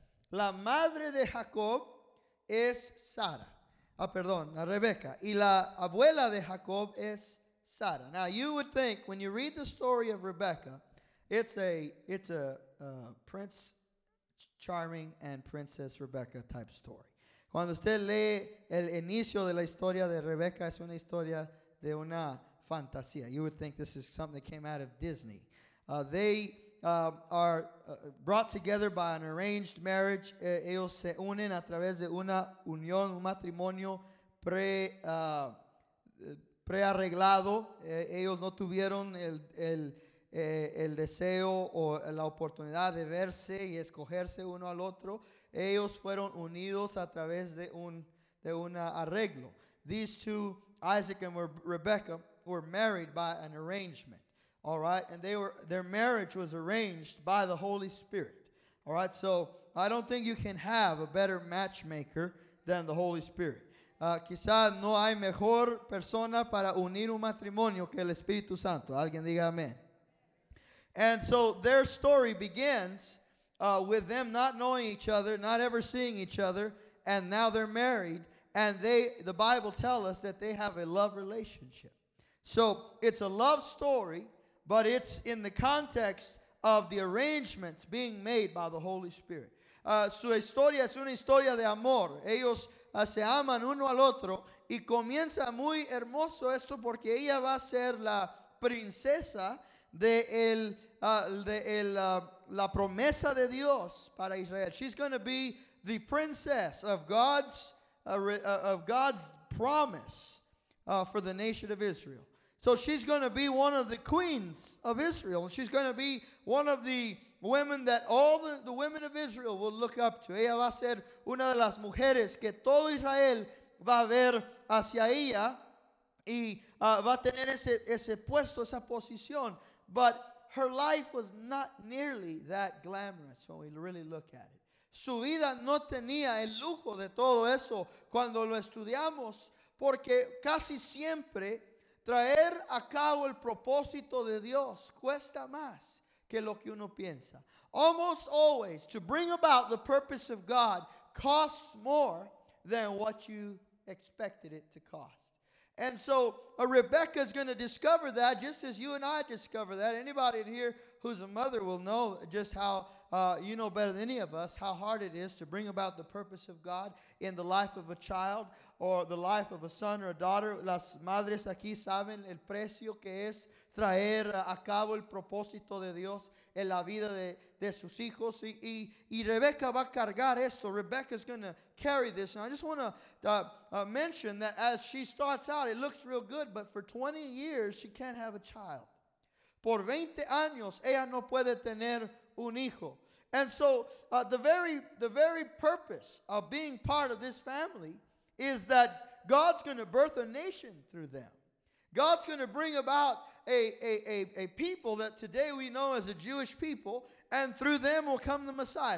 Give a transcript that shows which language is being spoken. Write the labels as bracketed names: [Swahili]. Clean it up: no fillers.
[Spanish] La madre de Jacob es Sara. Rebecca. Y la abuela de Jacob es Sara. [English] Now, you would think when you read the story of Rebecca, it's a Prince Charming and Princess Rebecca type story. [Spanish] Cuando usted lee el inicio de la historia de Rebecca, es una historia de una fantasía. [English] You would think this is something that came out of Disney. They are brought together by an arranged marriage. [Spanish] Ellos se unen a través de una unión, un matrimonio prearreglado. Ellos no tuvieron el deseo o la oportunidad de verse y escogerse uno al otro. Ellos fueron unidos a través de un arreglo. [English] These two, Isaac and Rebecca, were married by an arrangement. All right, and their marriage was arranged by the Holy Spirit. All right, so I don't think you can have a better matchmaker than the Holy Spirit. [Spanish] Quizás no hay mejor persona para unir un matrimonio que el Espíritu Santo. Alguien diga amén. [English] And so their story begins with them not knowing each other, not ever seeing each other, and now they're married, and the Bible tells us that they have a love relationship. So it's a love story, but it's in the context of the arrangements being made by the Holy Spirit. [Spanish] Su historia es una historia de amor. Ellos se aman uno al otro. Y comienza muy hermoso esto porque ella va a ser la princesa de la promesa de Dios para Israel. [English] She's going to be the princess of God's promise for the nation of Israel. So she's going to be one of the queens of Israel. She's going to be one of the women that all the women of Israel will look up to. [Spanish] Ella va a ser una de las mujeres que todo Israel va a ver hacia ella y va a tener ese puesto, esa posición. [English] But her life was not nearly that glamorous when we really look at it. [Spanish] Su vida no tenía el lujo de todo eso cuando lo estudiamos, porque casi siempre traer a cabo el propósito de Dios cuesta más que lo que uno piensa. [English] Almost always, to bring about the purpose of God costs more than what you expected it to cost. And so, Rebecca is going to discover that, just as you and I discover that. Anybody in here who's a mother will know just how, you know better than any of us, how hard it is to bring about the purpose of God in the life of a child or the life of a son or a daughter. [Spanish] Las madres aquí saben el precio que es traer a cabo el propósito de Dios en la vida de sus hijos. Y Rebecca va a cargar esto. [English] Rebecca's going to carry this. And I just want to mention that as she starts out, it looks real good, but for 20 years, she can't have a child. [Spanish] Por 20 años, ella no puede tener un hijo. [English] And so the very purpose of being part of this family is that God's going to birth a nation through them. God's going to bring about a people that today we know as a Jewish people, and through them will come the Messiah.